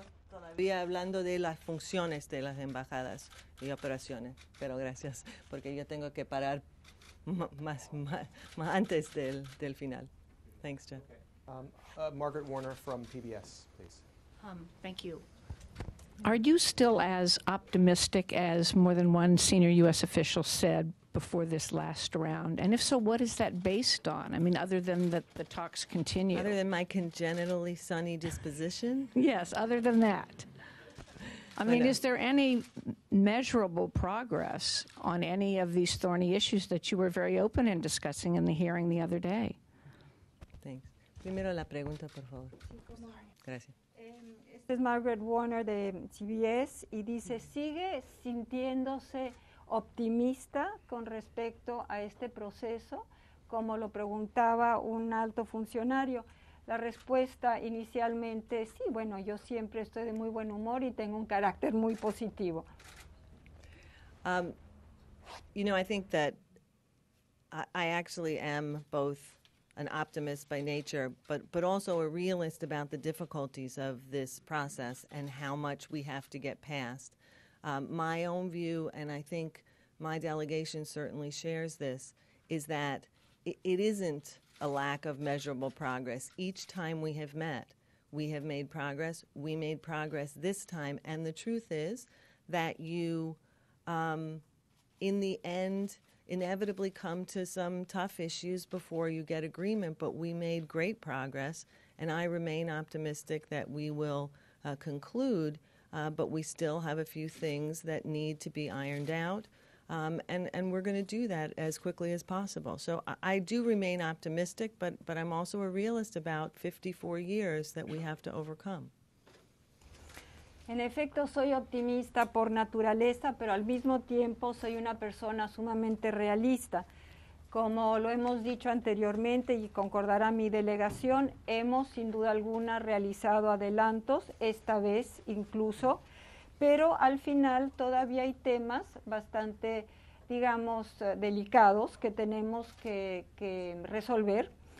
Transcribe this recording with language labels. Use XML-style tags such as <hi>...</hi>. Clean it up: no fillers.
<es>Todavía hablando de las funciones de las embajadas y operaciones, pero gracias, porque yo tengo que parar más antes del final.</es> <en>Thanks, Jeff. Okay. Margaret Warner from PBS, please. Thank you. Are you still as optimistic as more than one senior U.S. official said before this last round? And if so, what is that based on? I mean, other than that the talks continue. Other than my congenitally sunny disposition? Yes, other than that. I mean, is there any measurable progress on any of these thorny issues that you were very open in discussing in the hearing the other day?</en> <es>Thanks. Primero la pregunta, por favor. Gracias. Esta es Margaret Warner de CBS y dice, ¿sigue sintiéndose optimista con respecto a este proceso, como lo preguntaba un alto funcionario? La respuesta inicialmente es sí, bueno, yo siempre estoy de muy buen humor y tengo un carácter muy positivo.</es> <en>You know, I think that I actually am both an optimist by nature, but also a realist about the difficulties of this process and how much we have to get past. My own view, and I think my delegation certainly shares this, is that it isn't a lack of measurable progress. Each time we have met, we have made progress. We made progress this time. And the truth is that you, in the end, inevitably come to some tough issues before you get agreement. But we made great progress, and I remain optimistic that we will conclude. But we still have a few things that need to be ironed out, and we're going to do that as quickly as possible. So I do remain optimistic, but I'm also a realist about 54 years that we have to overcome.</en> <es>En efecto, soy optimista por naturaleza, pero al mismo tiempo soy una persona sumamente realista. Como lo hemos dicho anteriormente y concordará mi delegación, hemos sin duda alguna realizado adelantos, esta vez incluso, pero al final todavía hay temas bastante, digamos, delicados que tenemos que resolver.</es>